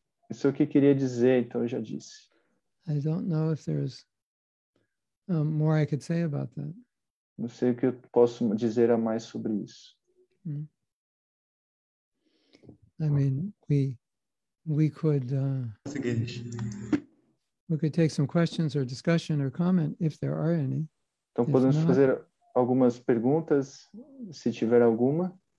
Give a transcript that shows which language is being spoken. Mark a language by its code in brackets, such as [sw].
[pt] isso é o que queria dizer, então eu já disse. [en] I don't know if there's more I could say about that. [pt] Não sei o que eu posso dizer a mais sobre isso. [en] I mean, we could take some questions or discussion or comment if there are any. [pt] Então podemos fazer algumas perguntas, se tiver alguma.